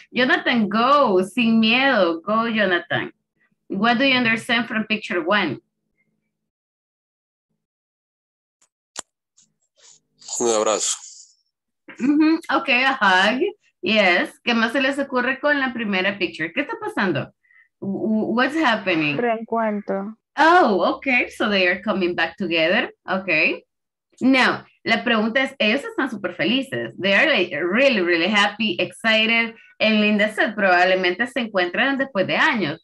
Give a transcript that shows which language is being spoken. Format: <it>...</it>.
<en>Jonathan, go,</en> <es>sin miedo.</es> <en>Go, Jonathan. What do you understand from picture one?</en> <es>Un abrazo.</es> <en>Mm-hmm. Okay, a hug. Yes.</en> <es>¿Qué más se les ocurre con la primera picture? ¿Qué está pasando?</es> <en>What's happening?</en> <es>Reencuentro.</es> <en>Oh, okay, so they are coming back together, okay. Now,</en> <es>la pregunta es, ellos están súper felices.</es> <en>They are like really, really happy, excited.</en> <es>En Linda said, probablemente se encuentran después de años.</es>